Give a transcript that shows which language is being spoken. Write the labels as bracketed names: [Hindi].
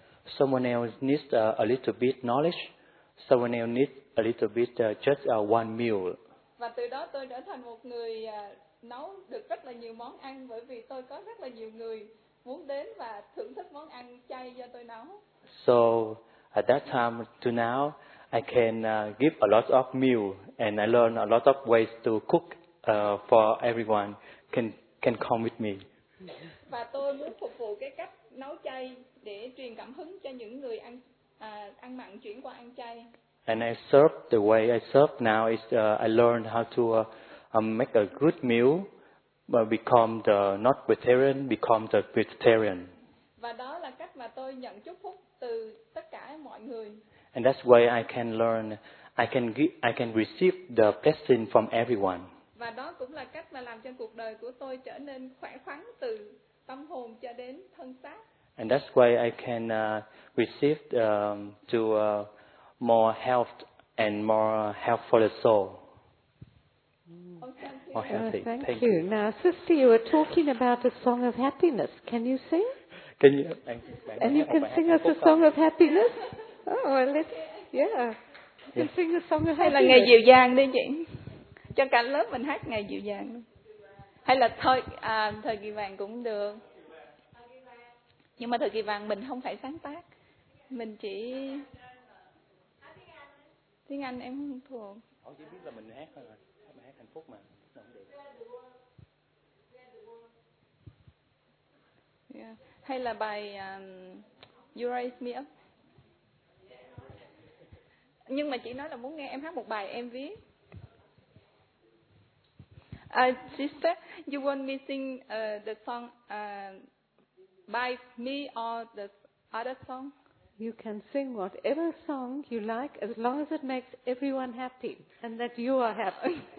[English] Someone else needs a little bit knowledge. Someone else needs a little bit just one meal. [Vietnamese] Và từ đó tôi trở thành một người nấu được rất là nhiều món ăn bởi vì tôi có rất là nhiều người muốn đến và thưởng thức món ăn chay do tôi nấu. [English] So at that time to now, I can give a lot of meal and I learn a lot of ways to cook for everyone can come with me. [Vietnamese] Và tôi muốn phục vụ cái cách nấu chay để truyền cảm hứng cho những người ăn ăn mặn chuyển qua ăn chay. [English] And I serve the way I serve now is I learn how to make a good meal, but become the not vegetarian, become the vegetarian. [Vietnamese] Và đó là cách mà tôi nhận chúc phúc từ tất cả mọi người. [English] And that's why I can learn, I can receive the blessing from everyone. [Vietnamese] Và đó cũng là cách mà làm cho cuộc đời của tôi trở nên khỏe khoắn từ tâm hồn cho đến thân xác. [English] And that's why I can receive to more health and more health for the soul. Oh, thank you. Now, sister, you were talking about a song of happiness. Can you sing? Can you? And you can sing us a song of happiness? Oh, well, let's. Yeah. can sing a song. [Vietnamese] Hay là ngày dịu dàng đi chị. Cho cả lớp mình hát ngày dịu dàng. Hay là thôi à, thời kỳ vàng cũng được. Nhưng mà thời kỳ vàng mình không phải sáng tác. Mình chỉ tiếng Anh em không thuộc. Ồ, chỉ biết là mình hát thôi. Mình hát hạnh phúc mà. [English] Yeah. [Vietnamese] Hay là bài You Raise Me Up. Nhưng mà chị nói là muốn nghe em hát một bài em viết. [English] Sister, you want me sing the song by me or the other song? You can sing whatever song you like as long as it makes everyone happy and that you are happy.